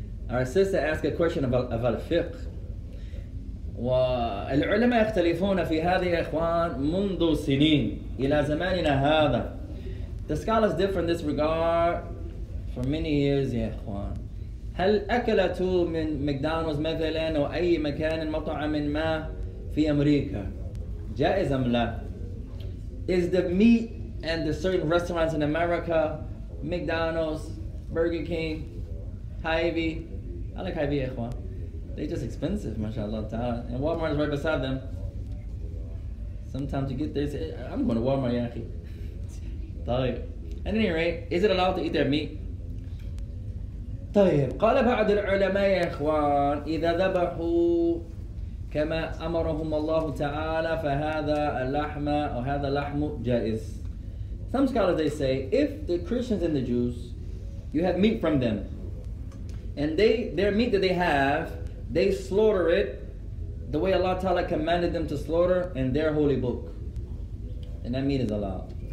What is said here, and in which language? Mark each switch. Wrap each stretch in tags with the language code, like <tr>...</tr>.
<en>Our sister asked a question about fiqh.</en> <ar>والعلماء يختلفون في هذه إخوان منذ سنين إلى زماننا هذا.</ar> <en>The scholars differ in this regard for many years,</en> <ar>يا إخوان. هل أكلت من مكدونالدز مثلا أو أي مكان مطعم ما في أمريكا جائز أم لا؟</ar> <en>Is the meat and the certain restaurants in America, McDonald's, Burger King, Hy-Vee, I like Hy-Vee, إخوان. They're just expensive, mashallah ta'ala. And Walmart is right beside them. Sometimes you get this, I'm going to Walmart, ya akhi.</en> <ar>طيب.</ar> <en>At any rate, is it allowed to eat their meat?</en> <ar>طيب. قال بعض العلماء يا إخوان إذا ذبحوا كما أمرهم الله تعالى فهذا اللحم أو هذا اللحم جائز.</ar> <en>Some scholars, they say, if the Christians and the Jews, you have meat from them, and their meat that they have, they slaughter it the way Allah Ta'ala commanded them to slaughter in their holy book. And that meat is allowed.</en>